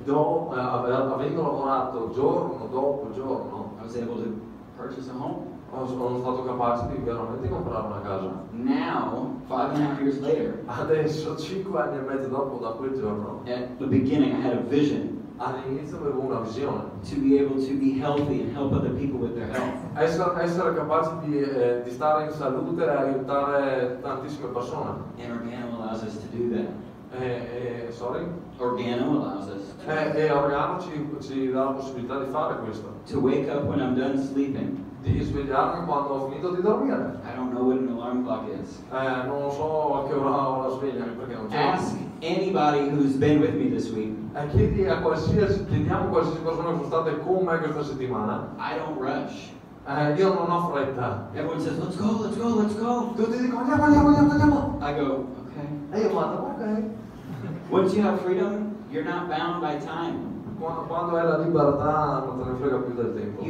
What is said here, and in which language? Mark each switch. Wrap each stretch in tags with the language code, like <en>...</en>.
<it>avendo lavorato giorno dopo giorno,</it> <en>I was able to purchase a home.</en> <it>Sono stato capace di veramente comprare una casa.</it> <en>Now, 5.5 years later,</en> <it>adesso 5 anni e mezzo dopo da quel giorno,</it> <en>at the beginning I had a vision.</en> <it>All'inizio avevo una visione.</it> <en>To be able to be healthy and help other people with their health.</en> <it>Essere capace di stare in salute e aiutare tantissime persone.</it> <en>And Organo allows us to do that. Organo allows us.</en> <it>Organo ci dà la possibilità di fare questo.</it> <en>To wake up when I'm done sleeping.</en> <it>Di svegliarmi quando ho finito di dormire.</it> <en>I don't know what an alarm clock is.</en> <it>Non so a che ora ho la sveglia perché non c'è.</it> <en>Ask anybody who's been with me this week.</en> <it>Chiediamo a qualsiasi persona che è stata con me questa settimana.</it> <en>I don't rush.</en> <it>Io non ho fretta.</it> <en>Everyone says, let's go, let's go, let's go.</en> <it>Tutti dicono, andiamo, andiamo, andiamo, andiamo.</it> <en>I go, okay.</en> <it>E io vado, okay.</it> <en>Once you have freedom, you're not bound by time.</en> <it>Quando hai la libertà, non te ne frega più del tempo.</it>